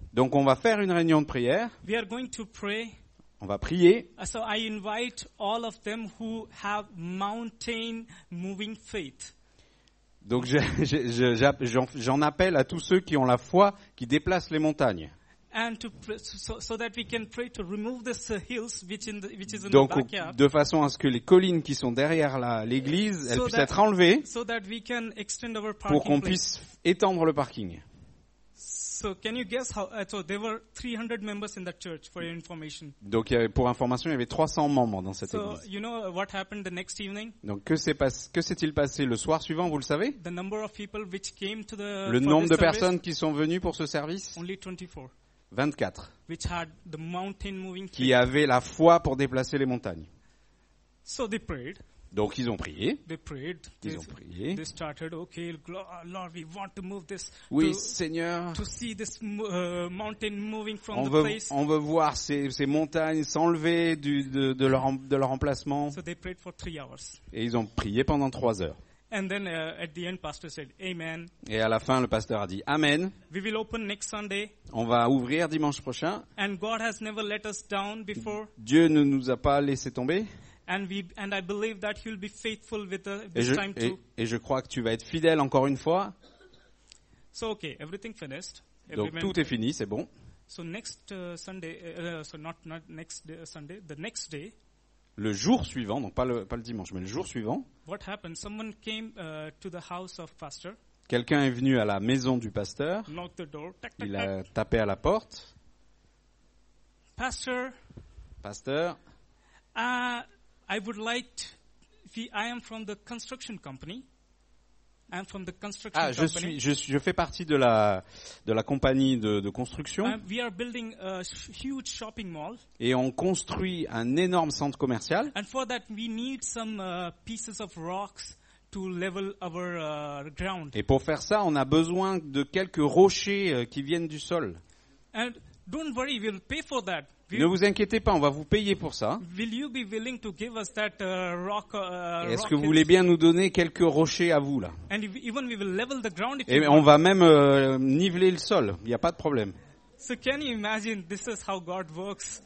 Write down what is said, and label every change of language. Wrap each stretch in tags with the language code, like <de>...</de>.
<fr>Donc on va faire une réunion de prière.</fr> <en>We are going to pray.</en> <fr>On va prier.</fr> <en>So I invite all of them who have mountain moving faith.</en> <fr>Donc j'en appelle à tous ceux qui ont la foi qui déplacent les montagnes.</fr> <en>And to pray, so that we can pray to remove the hills which is in the</en> <fr>donc,</fr> <en>backyard.</en> <fr>Donc de façon à ce que les collines qui sont derrière l'église elles puissent être enlevées.</fr> <en>So that we can extend our parking.</en> <fr>Pour qu'on puisse étendre le parking.</fr> <en>So can you guess how? So there were 300 members in that church for your information.</en> <fr>Donc pour information, il y avait 300 membres dans cette église.</fr> <en>So you know what happened the next evening?</en> <fr>Donc que s'est-il passé le soir suivant? Vous le savez?</fr> <en>The number of people which came to the</en> <fr>le nombre de personnes qui sont venues pour ce service?</fr> <en>Only 24.</en> <fr>24.</fr> <en>Which had the mountain moving</en> <fr>qui avait la foi pour déplacer les montagnes.</fr> <en>So they prayed.</en> <fr>Donc ils ont prié.</fr> <en>They prayed.</en> <fr>Ils ont prié.</fr> <en>They started, okay, Lord, we want to move this.</en> <fr>Oui,</fr> <en>to,</en> <fr>Seigneur.</fr> <en>To see this mountain moving from</en> <fr>on</fr> <en>the</en> <fr>veut,</fr> <en>place.</en> <fr>On veut voir ces montagnes s'enlever de leur emplacement.</fr> <en>So they prayed for 3 hours.</en> <fr>Et ils ont prié pendant 3 heures.</fr> <en>And then at the end pastor said amen.</en> <fr>Et à la fin le pasteur a dit amen.</fr> <en>We will open next Sunday.</en> <fr>On va ouvrir dimanche prochain.</fr> <en>And God has never let us down before.</en> <fr>Dieu ne nous a pas laissé tomber.</fr> <en>And I believe that he'll be faithful with this time too.</en> <fr>Et je crois que tu vas être fidèle encore une fois.</fr> <en>So okay, everything finished.</en> <fr>Donc tout est fini, c'est bon.</fr> <en>So next Sunday not next Sunday, the next day.</en> <fr>Le jour suivant, donc pas le dimanche, mais le jour suivant.</fr> <en>What happened? Someone came to the house of pastor.</en> <fr>Quelqu'un est venu à la maison du pasteur.</fr> <en>Knocked the door. Tac, tac,</en> <fr>il a tapé à la porte.</fr> <en>Pastor.</en> <fr>Pasteur.</fr> <en>I would like. I am from the construction company. I'm from the construction company.</en> <fr>Je fais partie de la compagnie de construction.</fr> <en>We are building a huge shopping mall.</en> <fr>Et on construit un énorme centre commercial.</fr> <en>And for that we need some pieces of rocks to level our ground.</en> <fr>Et pour faire ça, on a besoin de quelques rochers qui viennent du sol.</fr> <en>And don't worry, we'll pay for that.</en> <fr>Ne vous inquiétez pas, on va vous payer pour ça.</fr> <en>Will you be willing to give us that rock?</en> <fr>Est-ce que vous voulez bien nous donner quelques rochers à vous là?</fr> <en>And even we will level the ground.</en> <fr>Et on va même niveler le sol. Il n'y a pas de problème.</fr> <en>So can you imagine this is how God works?</en>